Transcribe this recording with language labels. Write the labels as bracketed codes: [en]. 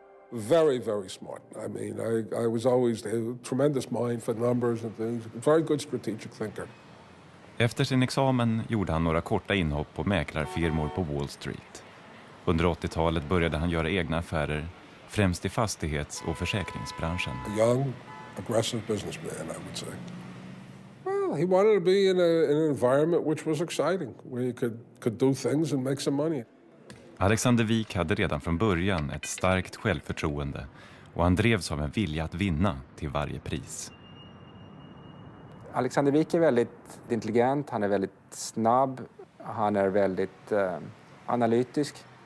[en] Very, very smart. I mean, I was always a tremendous mind for numbers and things. Very good strategic thinker. [sv] Efter sin examen gjorde han några korta inhopp på mäklarfirmor på Wall Street. Under 80-talet började han göra egna affärer, främst i fastighets- och försäkringsbranschen. [en] A young, aggressive businessman, I would say. He wanted to be in an environment which was exciting, where you could do things and make some money. [sv] Alexander Wik hade redan från början ett starkt självförtroende och han drevs av en vilja att vinna till varje pris. Alexander Wik är väldigt intelligent, han är väldigt snabb, han är väldigt analytisk.